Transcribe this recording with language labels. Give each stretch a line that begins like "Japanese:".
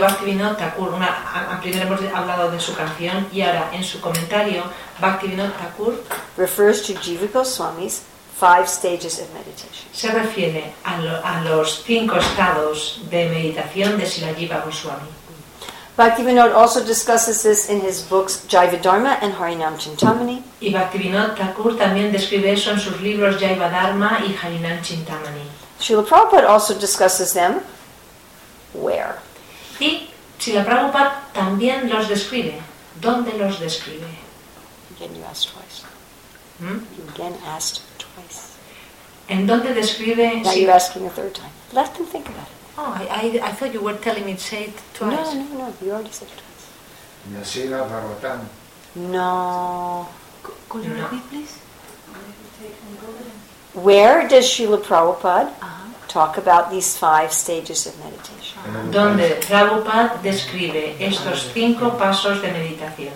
Spanish: Bhaktivinoda Thakur, primero hemos hablado de su canción y ahora en su comentario Bhaktivinoda Thakur
English: refers to Jiva Goswami's five stages of meditation.
Spanish: Se refiere a los cinco estados de meditación de Srila Jiva Goswami.
English: Bhaktivinoda also discusses this in his books Jiva Dharma and Harinam Chintamani.
Spanish: Y Bhaktivinoda Thakur también describe eso en sus libros Jiva Dharma y Harinam Chintamani.
English: Srila Prabhupada also discusses them where?
Spanish: Y Srila Prabhupada también los describe. ¿Dónde los describe?
English: Again, you asked twice. You again asked twice.
Spanish: ¿En dónde describe?
English: Now you're asking a third time. Let them think about it. Oh, I thought you were telling me to say it twice. No, you already said it twice. Nyasila Bhagavatam. No. Could you repeat, please? Where does Srila Prabhupada talk about these five stages of meditation?
Spanish: Donde Prabhupada describe estos cinco pasos de meditación.